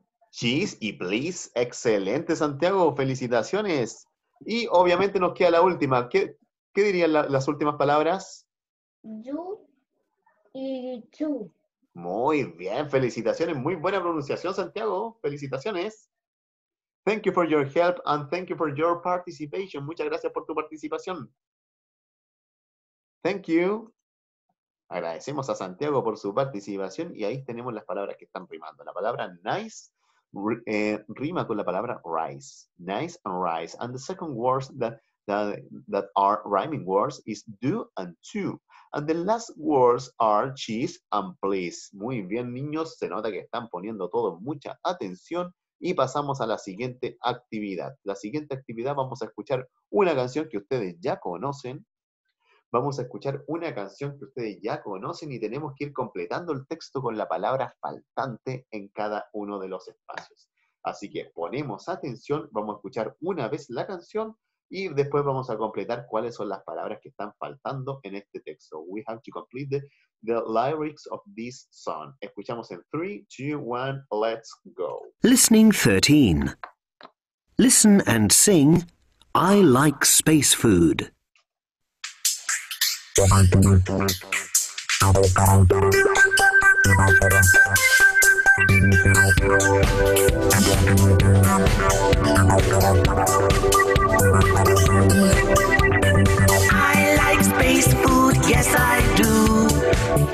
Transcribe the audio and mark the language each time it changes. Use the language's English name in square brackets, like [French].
[Spanish] Cheese y please, excelente, Santiago, felicitaciones. Y obviamente nos queda la última. ¿Qué dirían las últimas palabras? [English] Do y to. [Spanish] Muy bien, felicitaciones, muy buena pronunciación, Santiago, felicitaciones. [English] Thank you for your help and thank you for your participation. [Spanish] Muchas gracias por tu participación. [English] Thank you. [Spanish] Agradecemos a Santiago por su participación y ahí tenemos las palabras que están rimando. La palabra nice rima con la palabra rice. [English] Nice and rice. And the second words that are rhyming words is do and to. And the last words are cheese and please. [Spanish] Muy bien, niños. Se nota que están poniendo todo mucha atención. Y pasamos a la siguiente actividad. La siguiente actividad vamos a escuchar una canción que ustedes ya conocen. Vamos a escuchar una canción que ustedes ya conocen y tenemos que ir completando el texto con la palabra faltante en cada uno de los espacios. Así que ponemos atención, vamos a escuchar una vez la canción Y después vamos a completar cuáles son las palabras que están faltando en este texto. [English] We have to complete the lyrics of this song. [Spanish] Escuchamos en 3, 2, 1, [English] let's go. Listening 13. Listen and sing, I like space food. I like space food, yes I do.